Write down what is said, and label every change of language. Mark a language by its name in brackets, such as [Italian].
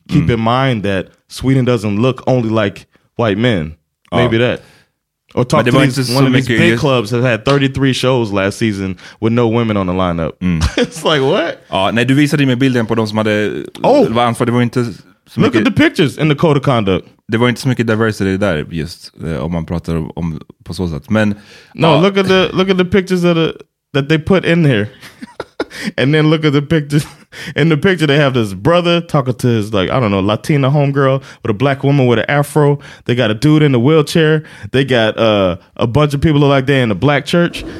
[English] Keep in mind that Sweden doesn't look only like white men. Maybe that. Or talk to these, one of these big clubs that had 33 shows last season with no women on the lineup. Mm. It's like, what? [Swedish] Nej, du visade med bilden på de som hade... [English] Oh! [Swedish] För det var inte så mycket, [English] look at the pictures in the code of conduct. [Swedish] Det var inte så mycket diversity där just, om man pratar om på så sätt. Men, [English] no, look at the pictures of that they put in there. And then look at the pictures. In the picture, they have this brother talking to his, like, I don't know, Latina homegirl with a black woman with an afro. They got a dude in a wheelchair. They got a bunch of people look like they're in a black church.